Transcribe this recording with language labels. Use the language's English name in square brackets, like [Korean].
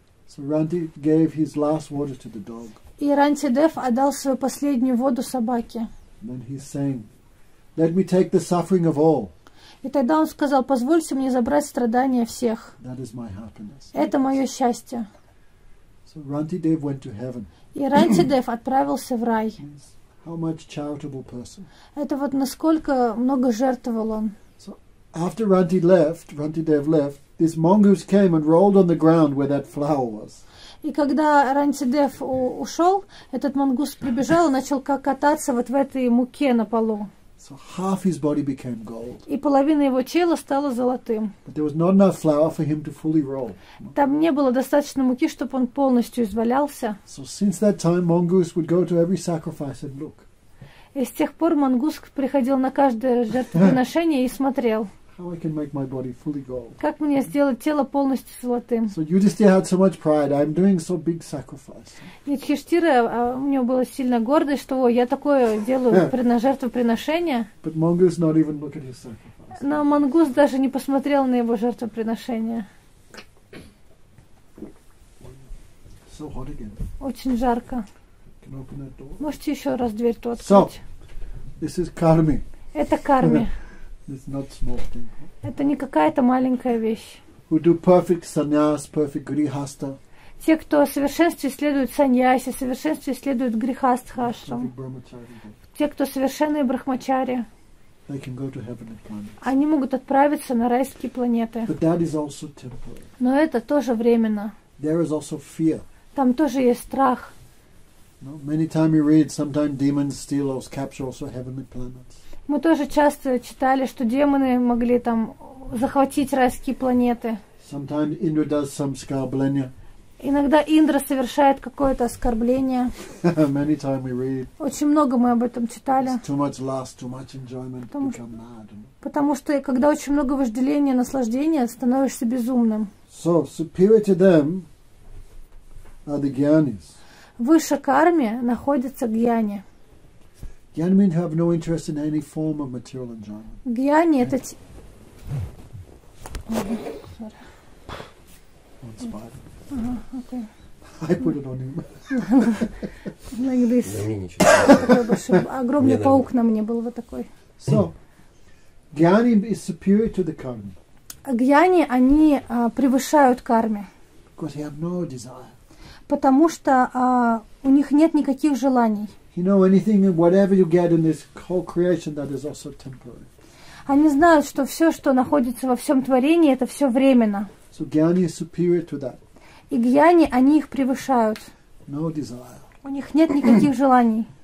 [English] So Ранти gave his last water to the dog. [Russian] И Рантидев отдал свою последнюю воду собаке. [English] Then he sang, Let me take the suffering of all. [Russian] И тогда он сказал, позвольте мне забрать страдания всех. [English] That is my happiness. [Russian] Это мое счастье. [English] So Rantidev went to heaven. [Russian] И Рантидев отправился в рай. [English] How much charitable person. [Russian] Это вот насколько много жертвовал он. [English] So after Rantidev left, this mongoose came and rolled on the ground where that flower was. [Russian] И когда Рантидев ушел, этот мангуст прибежал и начал кататься вот в этой муке на полу. [English] So half his body became gold. [Russian] И половина его тела стала золотым. [English] But there was not enough flour for him to fully roll. [Russian] Там не было достаточно муки, чтобы он полностью извалялся. [English] So since that time, mongoose would go to every sacrifice and look. [Russian] И с тех пор Мангус приходил на каждое жертвоприношение и смотрел. [English] How I can make my body fully gold? [Russian] Как мне сделать тело полностью золотым? [English] So Yudhishthira had so much pride. I'm doing so big sacrifice. [Russian] Yudhishthira, у него была сильная гордость, что я такое делаю на жертвоприношение. [English] But Mongus not even look at his sacrifice. [Russian] Но Мангус даже не посмотрел на его жертвоприношение. [English] So hot again. [Russian] Очень жарко. [English] Can I open that door? [Russian] Можете еще раз дверь ту открыть? [English] So, this is karma. [Russian] Это карма. [English] It's not small thing. [Russian] Это не какая-то маленькая вещь. [English] Who do perfect sannyas, perfect grihastha. [Russian] Те, кто в совершенстве следует саньясе, в совершенстве следует грихастхашрам. Те, кто совершенные брахмачари. [English] They can go to heavenly planets. [Russian] Они могут отправиться на райские планеты. [English] But that is also temporary. [Russian] Но это тоже временно. [English] There is also fear. [Russian] Там тоже есть страх. [English] No, many times you read, sometimes demons steal or capture also heavenly planets. [Russian] Мы тоже часто читали, что демоны могли там захватить райские планеты. [English] Sometimes Indra does some scarblenia. [Russian] Иногда Индра совершает какое-то оскорбление. [English] Many times we read. [Russian] Очень много мы об этом читали. [English] It's too much lust, too much enjoyment, become mad. [Russian] Потому что когда очень много вожделения, наслаждения, становишься безумным. [English] So superior to them are the gyanis. [Russian] Выше карми находятся гьяни. [English] Gyani means have no interest in any form of material enjoyment. [Russian] Gyani – это… [English] One spider. Okay. I put it on him. Like this. [Russian] На мне ничего. Огромный паук на мне был вот такой. [English] So, Gyani is superior to the karma. [Russian] Gyani, они превышают карме. [English] Because they have no desire. [Russian] Потому что у них нет никаких желаний. [English] You know anything, whatever you get in this whole creation, that is also temporary. [Russian] Они знают, что все, что находится во всем творении, это все временно. [English] So gyani is superior to that. [Russian] И гьяни, они их превышают. [English] No desire. [Russian] У них нет никаких желаний.